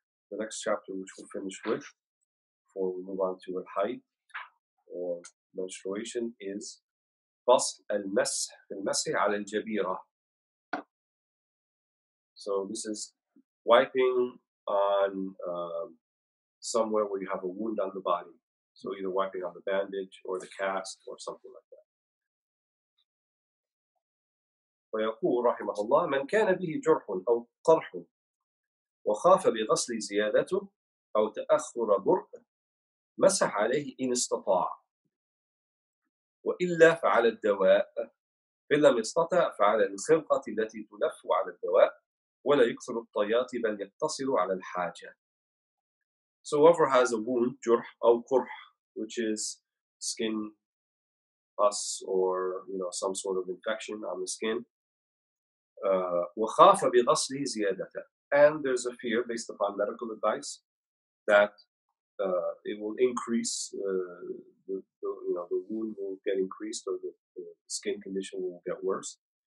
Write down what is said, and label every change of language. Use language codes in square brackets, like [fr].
[en] The next chapter, which we'll finish with, before we move on to Al-Hayd, or menstruation, is [ar] فصل المسح المسح على الجبيرة. [en] So this is wiping on somewhere where you have a wound on the body. So either wiping on the bandage or the cast or something like that. [ar] ويقول رحمه الله من كان به جرح أو قرح وخاف بغسل زيادته أو تأخر برء مسح عليه إن استطاع وإلا فعلى الدواء إن لم يستطع فعلى الخرقة التي تلف على الدواء ولا يكثر الطيات بل يتصل على الحاجة. [en] So whoever has a wound, jurh or kurh, which is skin pus or you know some sort of infection on the skin, [ar] وخاف بغسل زيادته, [en] and there's a fear based upon medical advice that it will increase the you know the wound will get increased or the skin condition will get worse.